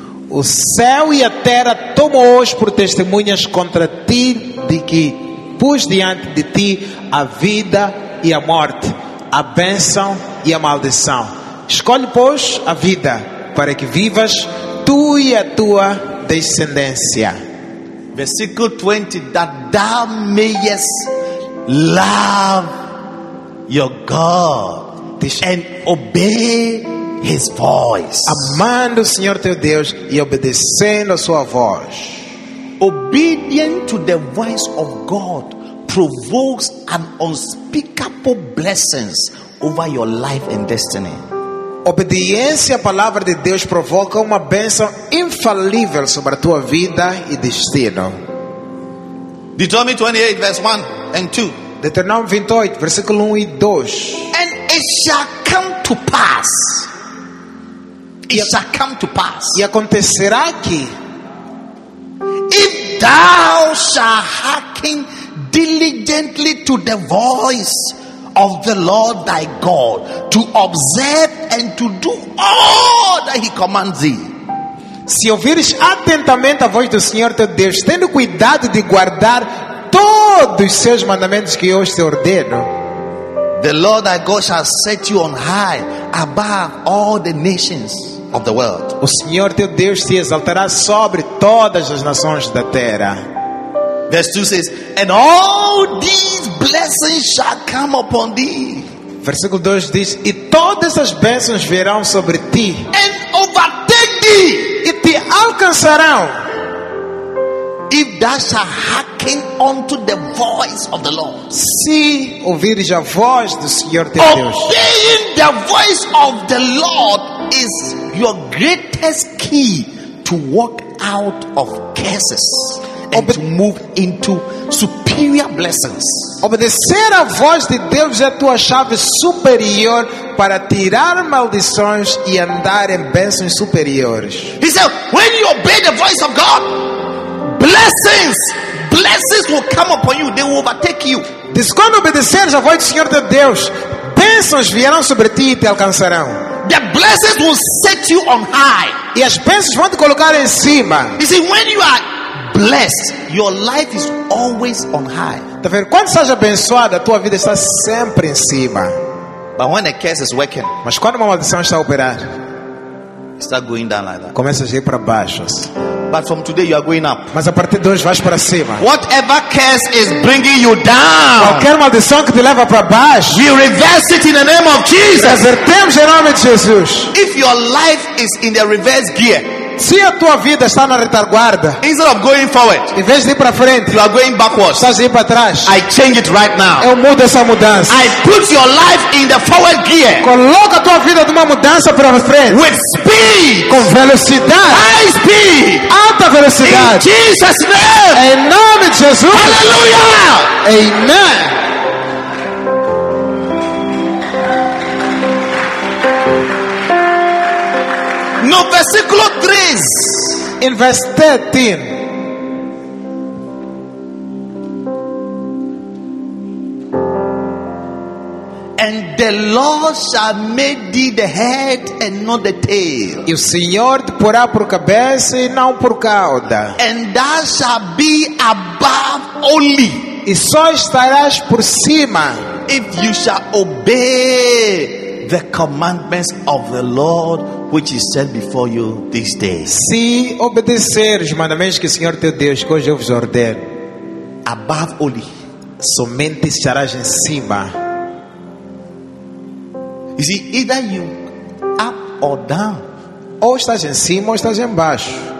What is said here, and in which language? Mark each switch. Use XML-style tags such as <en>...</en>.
<pt>O céu e a terra tomam hoje por testemunhas contra ti, de que pus diante de ti a vida e a morte, a bênção e a maldição. Escolhe, pois, a vida, para que vivas tu e a tua descendência. Versículo 20,</pt> <en>that thou mayest love your God and obey His voice.</en> <pt>Amando o Senhor teu Deus e obedecendo a sua voz.</pt> <en>Obedient to the voice of God provokes an unspeakable blessings over your life and destiny.</en> <pt>Obediência à palavra de Deus provoca uma bênção infalível sobre a tua vida e destino.</pt> <en>Deuteronomy 28, verse 1 and 2.</en> <pt>Deuteronomy 28, versículo 1 e 2.</pt> <en>And it shall come to pass. It shall come to pass.</en> <pt>E acontecerá que,</pt> <en>if thou shalt hearken diligently to the voice of the Lord thy God, to observe and to do all that He commands thee.</en> <pt>Se ouvires atentamente a voz do Senhor teu Deus, tendo cuidado de guardar todos os seus mandamentos que hoje te ordeno.</pt> <en>The Lord thy God shall set you on high above all the nations of the world.</en> <pt>O Senhor teu Deus te exaltará sobre todas as nações da terra.</pt> <en>Verse 2 says, and all these blessings shall come upon thee.</en> <pt>Versículo 2 diz, e todas as bênçãos virão sobre ti.</pt> <en>And overtake thee.</en> <pt>E te alcançarão.</pt> <en>If thou shalt hearken unto the voice of the Lord.</en> <pt>Se ouvires a voz do Senhor teu Deus.</pt> <en>Obeying the voice of the Lord is your greatest key to walk out of curses and to move into superior blessings.</en> <pt>Obedecer a voz de Deus é a tua chave superior para tirar maldições e andar em bênçãos superiores.</pt> <en>He said, when you obey the voice of God, blessings will come upon you. They will overtake you.</en> <pt>Diz, quando obedeceres a voz do Senhor de Deus, bênçãos virão sobre ti e te alcançarão.</pt> <en>The blessings will set you on high.</en> <pt>E as bênçãos vão te colocar em cima.</pt> <en>You see, when you are blessed, your life is always on high.</en> <pt>Tá vendo? Quando estás abençoado, a tua vida está sempre em cima.</pt> <en>But when a curse is working,</en> <pt>mas quando uma maldição está a operar, está</pt> <en>going down like that.</en> <pt>Começa a ir para baixo.</pt> <en>But from today you are going up.</en> <pt>Mas a partir de hoje vais para cima.</pt> <en>Whatever curse is bringing you down,</en> <pt>qualquer maldição que te leva para baixo,</pt> <en>we reverse it in the name of Jesus.</en> <pt>Revertemos em nome de Jesus.</pt> <en>If your life is in the reverse gear,</en> <pt>se a tua vida está na retaguarda,</pt> <en>instead of going forward,</en> <pt>em vez de ir para frente,</pt> <en>you are going backwards,</en> <pt>estás a ir para trás,</pt> <en>I change it right now.</en> <pt>Eu mudo essa mudança.</pt> <en>I put your life in the forward gear.</en> <pt>Coloca a tua vida numa mudança para frente.</pt> <en>With speed.</en> <pt>Com velocidade.</pt> <en>High speed.</en> <pt>Alta velocidade.</pt> <en>In Jesus name.</en> <pt>Em nome de Jesus.</pt> <en>Hallelujah. Amen.</en> <pt>No versículo 3.</pt> <en>in verse 13. And the Lord shall make thee the head and not the tail.</en> <pt>E o Senhor te porá por cabeça e não por cauda.</pt> <en>And thou shalt be above only.</en> <pt>E só estarás por cima.</pt> <en>If you shall obey the commandments of the Lord which is set before you this day.</en> <pt>Se obedecer os mandamentos que o Senhor teu Deus hoje eu vos ordeno.</pt> <en>Above only.</en> <pt>Somente estarás em cima.</pt> <en>You see, either you up or down.</en> <pt>Ou estás em cima ou estás em baixo.</pt>